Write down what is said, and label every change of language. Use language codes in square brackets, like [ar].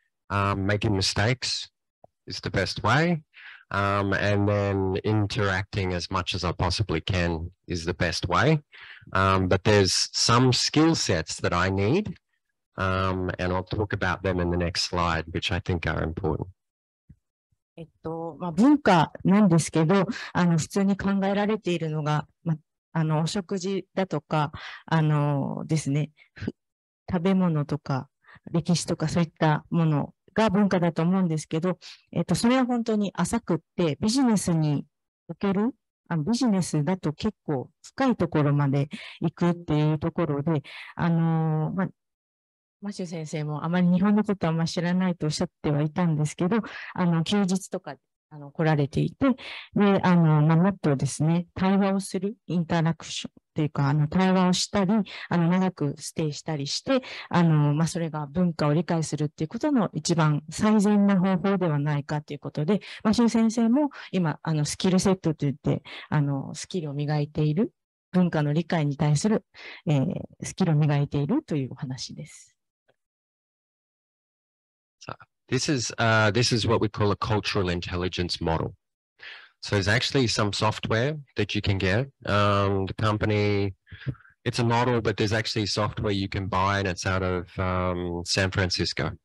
[en] Making mistakes is the best way. And then interacting as much as I possibly can is the best way. But there's some skill sets that I need, and I'll talk about them in the next slide, which I think are important. [ja] 文化なんですけど、普通に考えられているのが、お食事だとか、ですね、食べ物とか、歴史とか、そういったものが文化だと思うんですけど、それは本当に浅くって、ビジネスにおける、ビジネスだと結構深いところまで行くっていうところで、マシュー先生もあまり日本のことはあまり知らないとおっしゃってはいたんですけど、休日とか来られていて、で、もっとですね、対話をする、インタラクションっていうか、対話をしたり、長くステイしたりして、それが文化を理解するっていうことの一番最善な方法ではないかということで、マシュー先生も今、スキルセットといって、スキルを磨いている、文化の理解に対する、スキルを磨いているというお話です。 [en] So, this is what we call a cultural intelligence model. So it's actually some software that you can get. The company, it's a model, but there's actually software you can buy, and it's out of San Francisco.